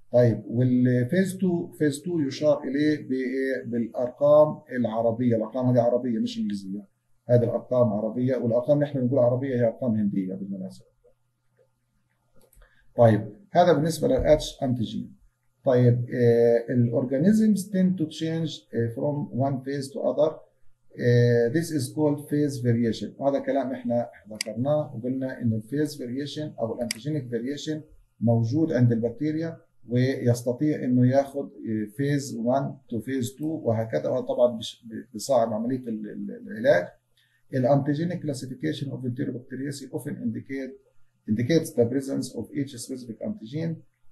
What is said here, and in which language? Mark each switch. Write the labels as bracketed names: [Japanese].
[Arabic] طيب والفيز 2، فيز 2 يشار اليه بالارقام العربيه، الارقام هذه عربيه مش انجليزيه، هذه الارقام عربيه، والارقام اللي احنا بنقول عربيه هي ارقام هنديه بالمناسبه. طيب هذا بالنسبة للـ H antigen. [English] طيب الـ organisms tend to change from one phase to other. This is called phase variation. [Arabic] هذا كلام احنا ذكرناه وقلنا انه phase variation او antigenic variation موجود عند البكتيريا ويستطيع انه ياخذ فيز 1 تو فيز 2 وهكذا، وطبعا بصعب عمليه العلاج. [English] الانتيجينيك classification of enterobacteriaceae often indicates the presence of H specific antigen.